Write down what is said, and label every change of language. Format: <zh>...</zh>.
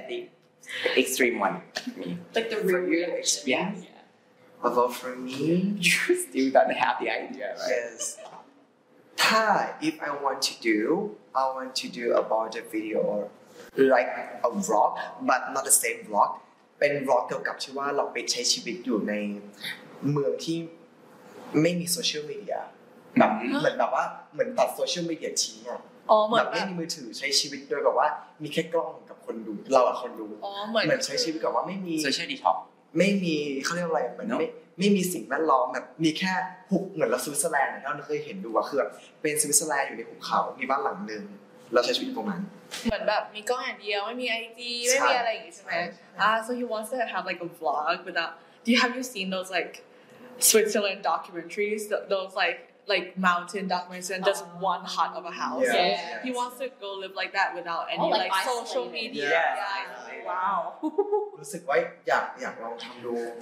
<en>I think the extreme one. Me. Like the real reaction. Yeah. Although for me, you still don't have the idea, right? Yes. if I want to do, I want to do about a video or like a vlog, but not the same vlog.</en> <th>เป็นวอล์กเกี่ยวกับที่ว่าเราไปใช้ชีวิตอยู่ในเมืองที่ไม่มีโซเชียลมีเดียแบบเหมือนแบบว่าเหมือนตัดโซเชียลมีเดียทิ้งอ่ะแบบไม่มีมือถือใช้ชีวิตโดยแบบว่ามีแค่กล้องกับคนดูเราอะคนดู เหมือนใช้ชีวิตกับว่าไม่มี โซเชียลดีท็อกซ์ไม่มีเขาเรียกอะไรเหมือนไม่มีสิ่งแวดล้อมแบบมีแค่หุบเหมือนเราสวิตเซอร์แลนด์ที่เราเคยเห็นดูว่าคือแบบเป็นสวิตเซอร์แลนด์อยู่ในหุบเขามีบ้านหลังนึงเราใช้ชีวิตตรงนั้น เหมือนแบบมีกล้องอย่างเดียวไม่มี IG ไม่มีอะไรอย่างงี้ใช่มั้ย</th> <en>so he wants to have like a vlog with that. Do you have you seen those like Switzerland documentaries, those like mountain documentaries and just one hut of a house? Yeah. Yeah. He wants to go live like that without any like social media. Yeah. Wow.</en> <th>รู้สึกว่าอยากลองทําดู</th>